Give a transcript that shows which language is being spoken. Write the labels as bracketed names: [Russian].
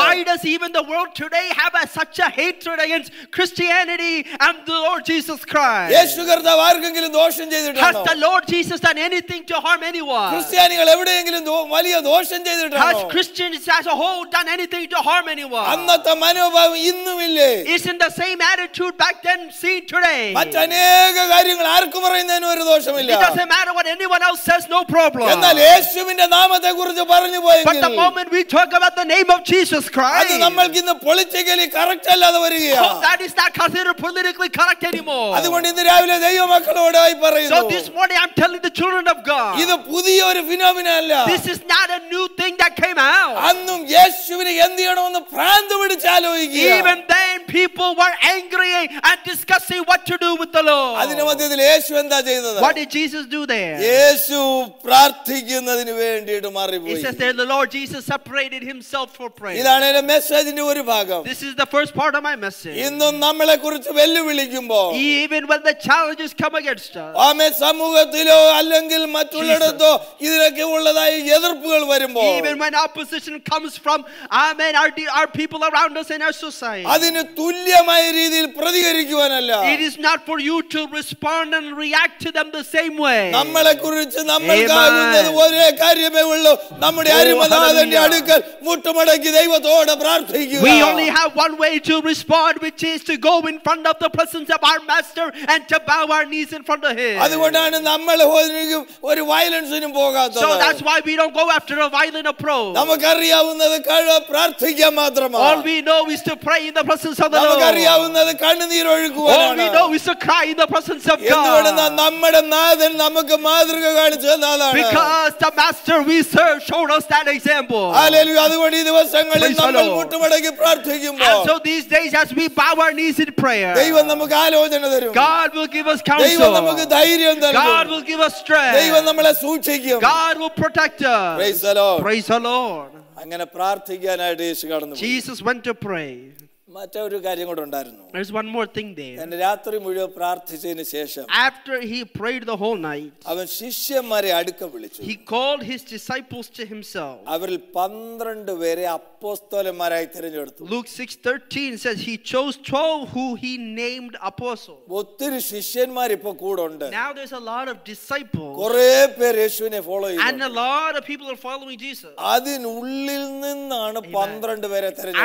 [English] Why does even the world today have such a hatred against Christianity and the Lord Jesus Christ? [Malayalam] യേശു കർത്താവ് ആർക്കെങ്കിലും ദോഷം ചെയ്തിട്ടുണ്ടോ? [English] Has the Lord Jesus done anything to harm anyone? [Malayalam] ക്രിസ്ത്യാനികൾ എവിടെയെങ്കിലും വലിയ ദോഷം ചെയ്തിട്ടുണ്ടോ? [English] Has Christians as a whole done anything to harm anyone? [Malayalam] അന്നത്തെ മനോഭാവം ഇന്നുമില്ലേ? [English] Isn't the same attitude back then seen today? [Malayalam] മറ്റനേക കാര്യങ്ങൾ ആർക്ക് പറയുന്ന പറഞ്ഞതിന് ഒരു ദോഷമില്ല. [English] It doesn't matter what anyone else says, no problem. [Malayalam] എന്നാൽ യേശുവിന്റെ നാമത്തെ കുറിച്ച് പറഞ്ഞു പോയെങ്കിൽ, [English] But the moment we talk about the name of Jesus Christ, [Malayalam] അത് നമ്മൾക്ക് ഇന്ന് പൊളിറ്റിക്കലി കറക്റ്റ് അല്ലാതെ വരികയാണ്. [English] That is not considered politically correct anymore. [Malayalam] അതുകൊണ്ട് ഇന്ന് രാവിലെ ദൈവമക്കളോട് ആയി പറയുന്നു, [English] So this morning I'm telling the children of God, [Malayalam] ഇത് പുതിയ ഒരു ഫിനോമിന അല്ല. [English] This is not a new thing that came out. [Malayalam] അന്നും യേശുവിനെ എന്തിയണമെന്ന് ഭ്രാന്ത് പിടിച്ച് ആലോചിക്കുക. [English] Even then people were angry and discussing what to do with the law. [Malayalam] അതിനു മധ്യത്തിൽ യേശു എന്താ ചെയ്തത്? [English] What did Jesus do there? [Malayalam] യേശു പ്രാർത്ഥിക്കുന്നതിന് വേണ്ടിട്ട് മാറിപോയി. [English] He says there the Lord Jesus separated himself for prayer. [Malayalam] ഇതാണ് എന്റെ മെസ്സേജിന്റെ ഒരു ഭാഗം. [English] This is the first part of my message. [Malayalam] ഇന്നും നമ്മളെക്കുറിച്ച് വെല്ലുവിളിക്കുമ്പോൾ, [English] Even when the challenges come against us, [Malayalam] ആമേ സമൂഹത്തിലോ അല്ലെങ്കിൽ മറ്റുള്ളടത്തോ ഇതിനൊക്കെ ഉള്ളതായി എതിർപ്പുകൾ വരുമ്പോൾ, [English] Even when opposition comes from um our people around us and our society, [Malayalam] അതിനെ തുല്യമായ രീതിയിൽ പ്രതികരിക്കുവാനല്ല. [English] It is not for you to respond and react to them the same way. [Malayalam] നമ്മളെക്കുറിച്ച് നമ്മൾ കാണുന്നത് ഒരേ കാര്യമേ ഉള്ളൂ, നമ്മുടെ അരുമനാഥന്റെ അടുക്കൽ മുട്ടുമടക്കി ദൈവത്തോടെ പ്രാർത്ഥിക്കുക. [English] We only have one way to respond, which is to go in front of the presence of our master and to bow our knees in front of him. [Malayalam] അതുകൊണ്ടാണ് നമ്മൾ ഒരു വയലൻസിനും പോകാത്തത്. [English] So that's why we don't go after a violent approach. [Malayalam] നമുക്കറിയാവുന്നത് കഴ പ്രാർത്ഥിക്കാൻ മാത്രമാണ്. [English] All we know is to pray in the presence of the Lord. [Malayalam] നമുക്കറിയാവുന്നത് കണ്ണുനീർ ഒഴുക്കുവാനാണ്. [English] All we know is to cry in the presence of God. [Malayalam] എന്തുകൊണ്ടാണ് നമ്മുടെ നാഥൻ നമുക്ക് മാതൃക കാണിച്ചു തന്നതാണ്. [English] Because the master we serve showed us that example. Hallelujah. [Malayalam] അതുകൊണ്ട് ഈ ദിവസങ്ങളിൽ നമ്മൾ മുട്ടുമടക്കി പ്രാർത്ഥിക്കുമ്പോൾ, [English] So these days as we bow our knees in prayer, [Malayalam] ദൈവം നമുക്ക് ആലോചന തരും. [English] God will give us counsel. [Malayalam] ദൈവം നമുക്ക് ധൈര്യം തരും. [English] God will give us strength. [Malayalam] ദൈവം നമ്മളെ സൂക്ഷിക്കും. [English] God will protect us. Praise the Lord. Praise the Lord. [Malayalam] അങ്ങനെ പ്രാർത്ഥിക്കാനായിട്ട് യേശു കടന്നു. [English] Jesus went to pray. [Malayalam] മറ്റൊരു കാര്യം കൂടെ ഉണ്ടായിരുന്നു. [English] There's one more thing there. [Malayalam] തന്റെ രാത്രി മുഴുവൻ പ്രാർത്ഥിച്ചതിന് ശേഷം, [English] After he prayed the whole night, [Malayalam] അവൻ ശിഷ്യന്മാരെ അടുക്കെ വിളിച്ചു. [English] He called his disciples to himself. [Malayalam] അവരിൽ 12 പേരെ അപ്പോസ്തലന്മാരായി തിരഞ്ഞെടുത്തു. [English] Luke 6:13 says he chose 12 who he named apostles. [Malayalam] ഒത്തിരി ശിഷ്യന്മാർ ഇപ്പോ കൂടുണ്ട്. [English] Now there's a lot of disciples. [Malayalam] കുറേ പേർ യേശുവിനെ ഫോളോ ചെയ്യുന്നു. [English] And a lot of people are following Jesus. [Malayalam] അതിനുള്ളിൽ നിന്നാണ് 12 പേരെ തിരഞ്ഞെടുത്തത്.